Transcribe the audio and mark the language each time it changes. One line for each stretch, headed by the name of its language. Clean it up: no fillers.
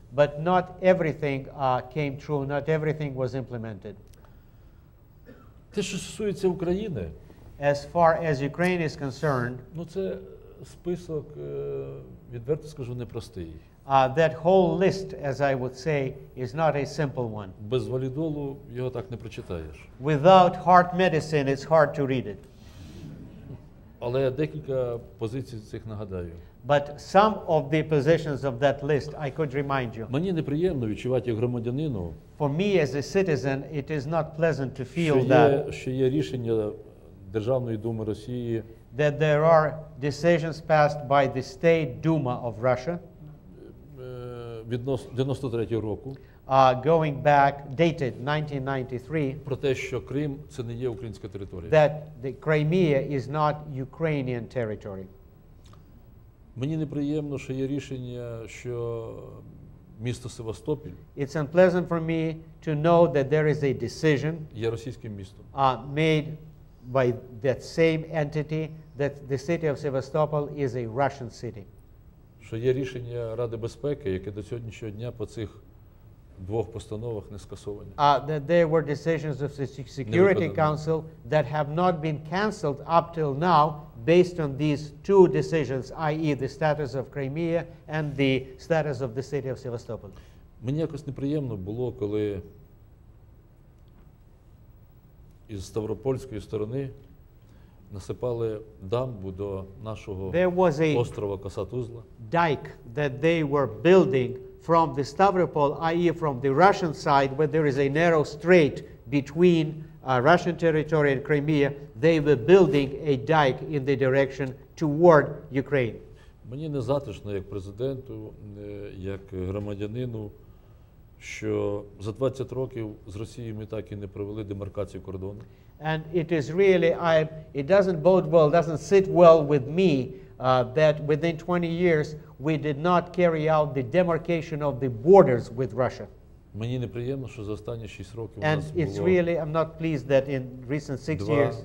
English: But not everything came true, not everything was implemented.
Ukrainian: Те, що стосується України,
English: as far as Ukraine is concerned,
Ukrainian: ну це список, відверто скажу, непростий.
English: That whole list, as I would say, is not a simple one.
Ukrainian: Без валідолу його так не прочитаєш.
English: Without heart medicine, it's hard to read it.
Ukrainian: Але я декілька позицій цих нагадаю.
English: But some of the positions of that list, I could remind you.
Ukrainian: Мені неприємно відчувати як громадянину.
English: For me as a citizen, it is not pleasant to feel
Ukrainian: що є рішення Державної Думи Росії.
English: That there are decisions passed by the State Duma of Russia.
Ukrainian: Від 93-го року.
English: Going back, dated 1993.
Ukrainian: Про те, що Крим – це не є українська територія.
English: That the Crimea is not Ukrainian territory.
Ukrainian: Мені неприємно, що є рішення, що місто Севастополь.
English: It's unpleasant for me to know that there is a decision.
Ukrainian: Є російським містом.
English: Made by that same entity, that the city of Sevastopol is a Russian city.
Ukrainian: Що є рішення Ради безпеки, яке до сьогоднішнього дня по цих двох постановах не скасовані.
English: That there were decisions of the Security Council that have not been canceled up till now based on these two decisions, i.e. the status of Crimea and the status of the city of Sevastopol.
Ukrainian: Мені якось неприємно було, коли із Ставропольської сторони насипали дамбу до нашого острова Коса-Тузла.
English: Dike that they were building from the Stavropol, i.e. from the Russian side, where there is a narrow strait between Russian territory and Crimea, they were building a dike in the direction toward Ukraine.
Ukrainian: Мені незатишно як президенту, як громадянину, що за 20 років з Росії ми так і не провели демаркацію кордону.
English: And it is really, it doesn't bode well, doesn't sit well with me that within 20 years we did not carry out the demarcation of the borders with Russia.
Ukrainian: Мені неприємно, що за останні 6 років у нас було.
English: And it's really, I'm not pleased that in recent 6 years